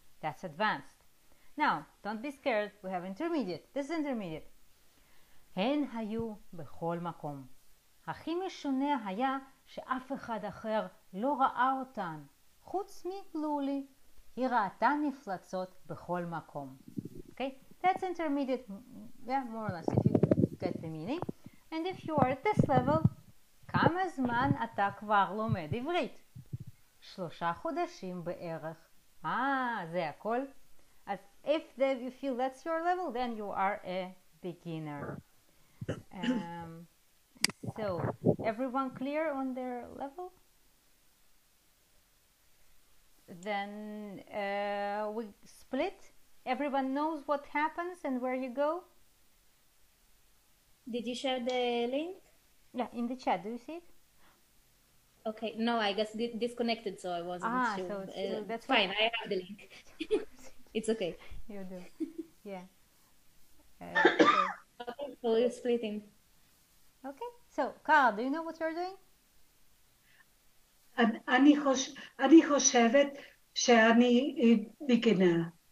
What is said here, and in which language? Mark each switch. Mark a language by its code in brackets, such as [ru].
[en] That's advanced. Now, don't be scared, we have intermediate. This is intermediate. [he] הן היו בכל מקום. הכי משונה היה שאף אחד אחר לא ראה אותן. חוץ מלולי, היא ראתה מפלצות בכל מקום. [en] Okay, that's intermediate. Yeah, more or less, if you get the meaning. And if you are at this level, [he] כמה זמן אתה כבר לומד עברית? 3 חודשים בערך. זה הכל? [en] As if you feel that's your level, then you are a beginner. So, everyone clear on their level? Then we split. Everyone knows what happens and where you go. Did you share the link? Yeah, in the chat. Do you see it? Okay. No, I guess disconnected, so I wasn't sure. So that's fine. I have the link. It's okay. You do. Yeah. Okay, so you're splitting. Okay. So, Carl, do you know what you're doing? [he] אני חושבת שאני beginner.